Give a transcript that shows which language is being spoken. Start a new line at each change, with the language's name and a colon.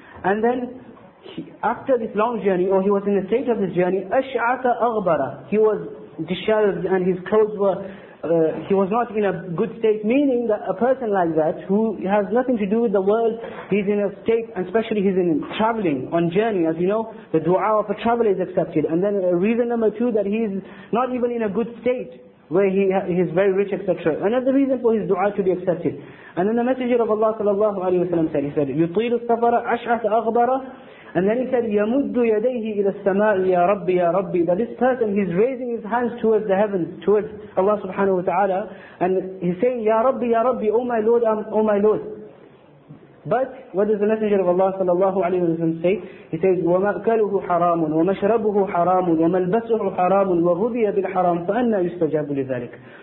English: And then after this long journey, or he was in the stage of this journey, ash'ata aghbara, he was disheveled and his clothes were he was not in a good state, meaning that a person like that who has nothing to do with the world, he's in a state, and especially he's in traveling on journey, as you know, the dua of a traveler is accepted. And then reason number two, that he's not even in a good state where he is very rich, etc. Another reason for his dua to be accepted. And then the Messenger of Allah sallallahu alayhi wa sallam said, he said,
Arabic: يُطِيلُ السَّفَرَ أَشْعَثَ أَغْبَرَ.
English: And then he said,
Arabic: يَمُدُّ يَدَيْهِ إِلَى السَّمَاءِ يَا رَبِّ يَا رَبِّ.
English: That this person, he's raising his hands towards the heavens, towards Allah subhanahu wa ta'ala, and he's saying,
Arabic: يَا رَبِّ يَا رَبِّ,
English: oh my Lord, oh my Lord. But what does the Messenger of Allah sallallahu alayhi wa sallam say? He says,
Arabic: وَمَأْكَلُهُ حَرَامٌ وَمَشْرَبُهُ حَرَامٌ وَمَلْبَسُهُ حَرَامٌ وَغُذِيَ بِالْحَرَامٌ فَأَنَّا يُسْتَجَابُ لِذَلِكَ.